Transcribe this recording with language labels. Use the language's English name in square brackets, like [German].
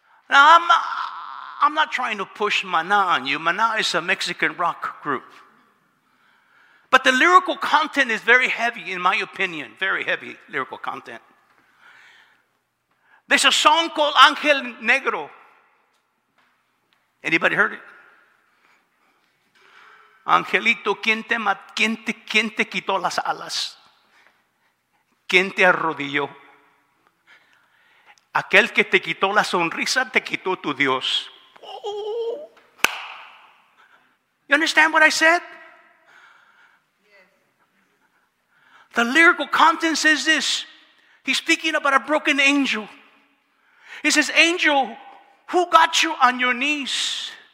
[English] Now, I'm not trying to push Maná on you. Maná is a Mexican rock group. But the lyrical content is very heavy, in my opinion. Very heavy lyrical content. There's a song called Ángel Negro. Anybody heard it? [Spanish] Angelito, ¿quién te quitó las alas? ¿Quién te arrodilló? Aquel que te quitó la sonrisa, te quitó tu Dios. [English] You understand what I said? The lyrical content says this. He's speaking about a broken angel. He says, angel, who got you on your knees?